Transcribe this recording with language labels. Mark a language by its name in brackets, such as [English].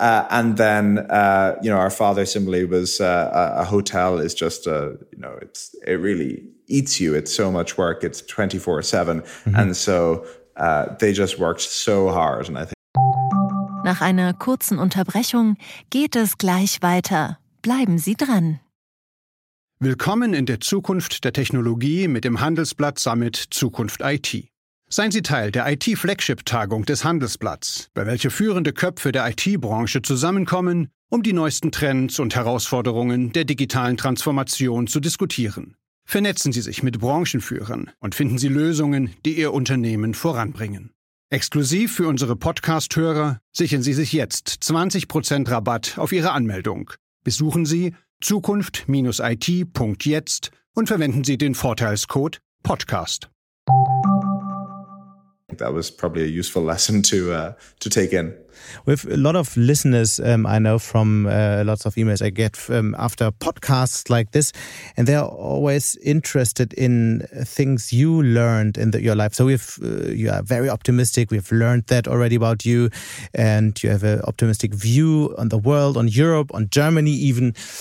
[English] And then our father similarly was a hotel is just, it really eats you. It's so much work. It's 24/7. Mm-hmm. And so they just worked so hard. And I think. [German] Nach einer kurzen Unterbrechung geht es gleich weiter. Bleiben Sie dran. Willkommen in der Zukunft der Technologie mit dem Handelsblatt Summit Zukunft IT. Seien Sie Teil der IT-Flagship-Tagung des Handelsblatts, bei welcher führende Köpfe der IT-Branche zusammenkommen, um die neuesten Trends und Herausforderungen der digitalen Transformation zu diskutieren. Vernetzen Sie sich mit Branchenführern und finden Sie Lösungen, die Ihr Unternehmen voranbringen. Exklusiv für unsere Podcast-Hörer sichern Sie sich jetzt 20% Rabatt auf Ihre Anmeldung. Besuchen Sie zukunft-it.jetzt und verwenden Sie den Vorteilscode PODCAST. [English] That was probably a useful lesson to take in. With a lot of listeners, I know from lots of emails I get after podcasts like this, and they're always interested in things you learned in your life. So you are very optimistic. We've learned that already about you, and you have an optimistic view on the world, on Europe, on Germany, even.